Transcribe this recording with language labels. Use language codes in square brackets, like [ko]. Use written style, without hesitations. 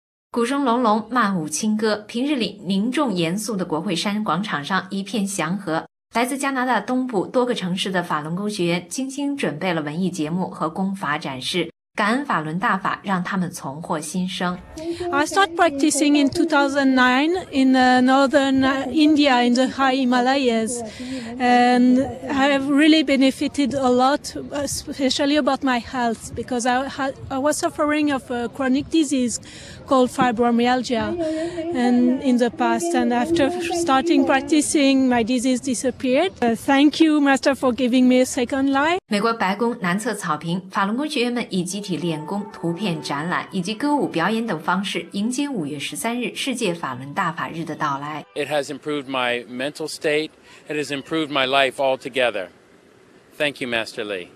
[zh] 鼓声隆隆，漫舞轻歌，平日里凝重严肃的国会山广场上一片祥和。来自加拿大东部多个城市的法轮功学员精心准备了文艺节目和功法展示，感恩法轮大法让他们重获新生。 [en] I started practicing in 2009 in northern India in the high Himalayas and I have really benefited a lot, especially about my health, because I was suffering of a chronic disease called fibromyalgia and in the past, and after starting practicing my disease disappeared. Thank you Master for giving me a second life. [zh] 美国白宫南侧草坪，法轮功学员们以集体练功、图片展览以及歌舞表演等方式迎接5月13日世界法轮大法日的到来。 [en] It has improved my mental state. It has improved my life altogether. Thank you, Master Lee.